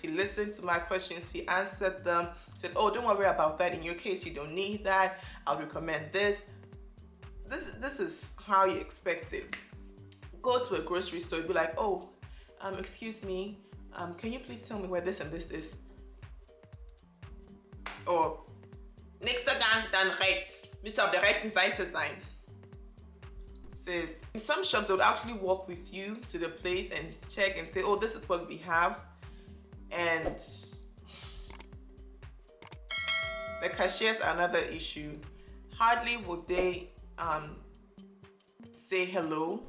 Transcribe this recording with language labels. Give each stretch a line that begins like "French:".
English: She listened to my questions, she answered them, said, oh, don't worry about that. In your case, you don't need that. I'll recommend this. This is how you expect it. Go to a grocery store, you'd be like, oh, excuse me, can you please tell me where this and this is?
German: Or, nächster Gang, dann rechts. Müsste auf der rechten Seite sein. sis.
English: In some shops, they would actually walk with you to the place and check and say, oh, this is what we have. And the cashiers are another issue. Hardly would they say hello.